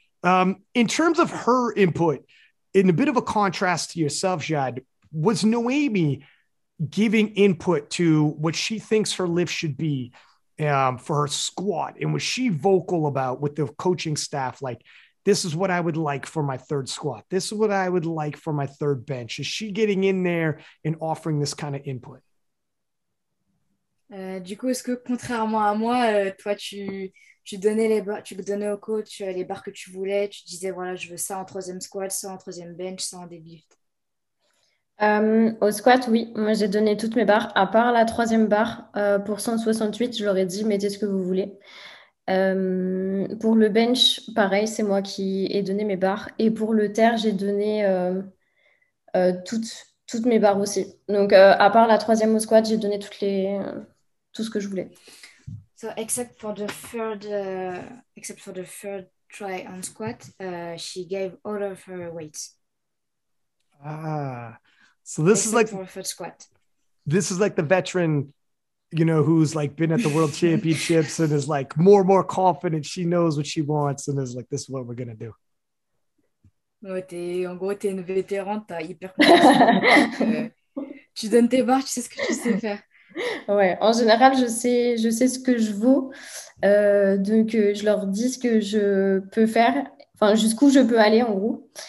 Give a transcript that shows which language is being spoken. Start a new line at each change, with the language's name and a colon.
English: In terms of her input, in a bit of a contrast to yourself, Jad, was Noemi giving input to what she thinks her lift should be for her squat? And was she vocal about with the coaching staff, like, this is what I would like for my third squat, this is what I would like for my third bench? Is she getting in there and offering this kind of input?
French: Du coup, est-ce que contrairement à moi, toi, tu donnais au coach les barres que tu voulais, tu disais, voilà, je veux ça en troisième squat, ça en troisième bench, ça en deadlift? Au squat, oui, moi j'ai donné toutes mes barres à part la troisième barre pour 168, je leur ai dit mettez ce que vous voulez. Pour le bench, pareil, c'est moi qui ai donné mes barres, et pour le terre, j'ai donné toutes mes barres aussi. Donc à part la troisième au squat, j'ai donné tout ce que je voulais.
English: So except for the third try on squat, she gave all of her weight. So this is like for a foot squat. This is like the veteran, you know, who's like been at the world championships and is like more confident. She knows what she wants and is like, this is what we're gonna do.
French: Ouais, en gros, t'es une vétéran, t'as hyper confiance. Tu donnes tes barres, tu sais ce que tu sais faire. Ouais, en général, je sais ce que je vaux. Donc je leur dis ce que je peux faire, enfin jusqu'où je peux aller en gros.